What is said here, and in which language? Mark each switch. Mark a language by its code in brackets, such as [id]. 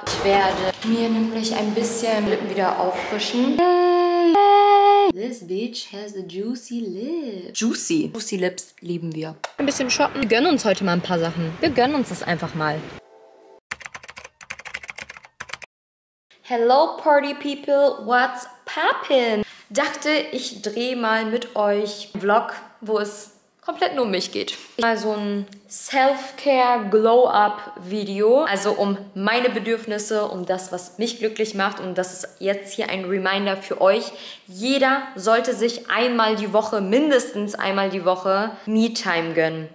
[de] Ich werde mir nämlich ein bisschen Lippen wieder auffrischen. [en] This bitch has a juicy lip. [de] Juicy. Juicy Lips lieben wir. Ein bisschen shoppen. Wir gönnen uns heute mal ein paar Sachen. Wir gönnen uns das einfach mal. [en] Hello Party People, what's poppin'? [de] Dachte, ich drehe mal mit euch einen Vlog, wo es komplett nur um mich geht. Mal so ein Self-Care-Glow-Up-Video. Also um meine Bedürfnisse, um das, was mich glücklich macht. Und das ist jetzt hier ein Reminder für euch. Jeder sollte sich einmal die Woche, mindestens einmal die Woche, Me-Time gönnen.